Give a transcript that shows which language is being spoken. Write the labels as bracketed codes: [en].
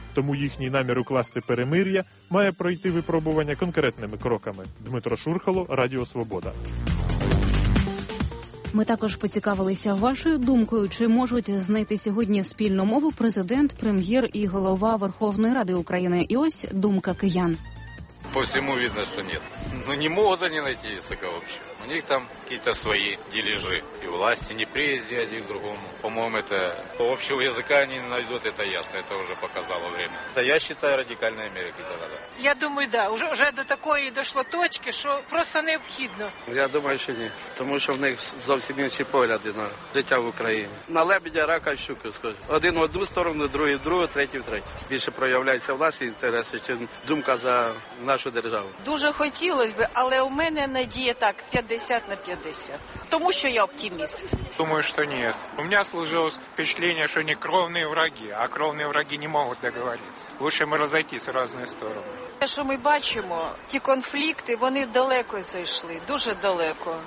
[uk] Тому їхній намір укласти перемир'я має пройти випробування конкретними кроками. Дмитро Шурхало, Радіо Свобода. Ми також поцікавилися вашою думкою, чи можуть знайти сьогодні спільну мову президент, прем'єр і голова Верховної Ради України. І ось думка киян. [ru] По всему видно, что нет. Ну не могут они найти языка вообще. У них там какие-то свои дележи. И власти не приезди один к другому. По-моему, это общего языка они не найдут, это ясно. Это уже показало время. Да я считаю, радикальная мера какие-то надо. Я думаю, да. Уже до такой дошло точки, что просто необходимо. Я думаю, что нет. Потому что у них совсем иные погляды [uk] на життя [ru] в Украине. На лебедя, рака и щуки, скажу. Один в одну сторону, [uk] другий в другу, [ru] третий в третью. [uk] Більше [ru] проявляются власти интересы, чем [uk] думка за нашу державу. Дуже хотілося б, але у мене надія так, 50 на 50. Тому що я оптиміст. Думаю, що ні. У мене [ru] сложилось впечатлення, [uk] що не кровні вороги, а кровні вороги не можуть договоритися. [ru] Лучше [uk] ми розійтись в різні сторони. Те, що ми бачимо, ті конфлікти, вони далеко зайшли, дуже далеко.